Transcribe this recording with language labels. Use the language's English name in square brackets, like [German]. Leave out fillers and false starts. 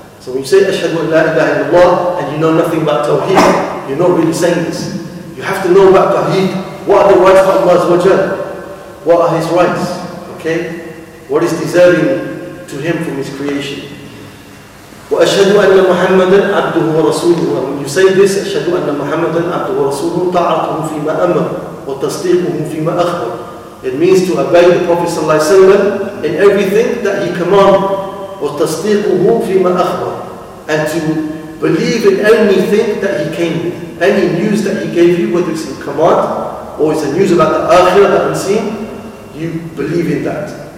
[English] So when you say Ashhadu an la ilaha illallah and you know nothing about Tawheed, you're not really saying this. You have to know about Tawheed. What are the rights of Allah Azza wa Jal? What are His rights? Okay? What is deserving to Him from His creation? [Arabic] وَأَشْهَدُ أَنَّ مُحَمَّدًا عَبْدُهُ وَرَسُولُهُ. [English] And when you say this, [Arabic] أَشْهَدُ أَنَّ مُحَمَّدًا عَبْدُهُ وَرَسُولُهُ طَعَتُهُ فِي مَا أَمَرُ وَتَصْدِيقُهُ فِي مَا أَخْبَرُ. [English] It means to obey the Prophet Sallallahu Alaihi Wasallam in everything that he commanded. [Arabic] وَتَصْدِيقُهُ فِي مَا أَخْبَرُ. [English] And to believe in anything that he came with. Any news that he gave you, whether it's in command or it's a news about the Akhirah that we've seen, you believe in that.